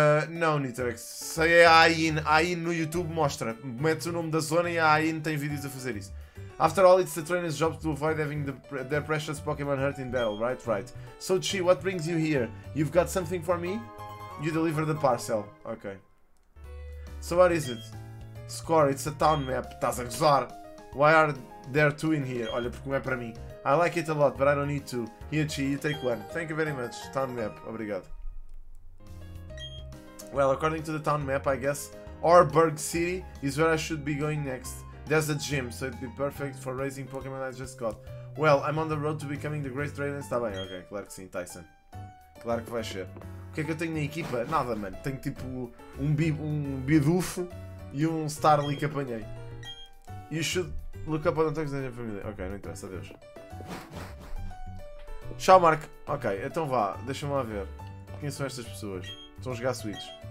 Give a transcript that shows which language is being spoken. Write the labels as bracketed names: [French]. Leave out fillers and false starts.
[Portuguese] Não, Nitrex. Sei, é a Ain. A Ain no YouTube mostra. Mete o nome da zona e a Ain tem vídeos a fazer isso. [English] After all, it's the trainer's job to avoid having their precious Pokémon hurt in battle, right? Right. So, Chi, what brings you here? You've got something for me? You deliver the parcel. Ok. So, what is it? Score, it's a town map. [Portuguese] Estás a gozar? [English] Why are... There are two in here. [Portuguese] Olha, porque não é para mim. [English] I like it a lot, but I don't need two. Here, Chi, you take one. Thank you very much. Town map. [Portuguese] Obrigado. [English] Well, according to the town map, I guess, Orberg City is where I should be going next. There's a gym, so it'd be perfect for raising Pokémon I just got. Well, I'm on the road to becoming the Great Trainer. [Portuguese] Está bem, ok. Claro que sim, Tyson. Claro que vai ser. O que é que eu tenho na equipa? Nada, mano. Tenho, tipo, um Bidoof e um Starly que apanhei. [English] You should... Look up on the text [Portuguese] da minha família. Ok, não interessa, adeus. Tchau, Mark. Ok, então vá, deixa-me lá ver. Quem são estas pessoas? Estão a jogar Switch.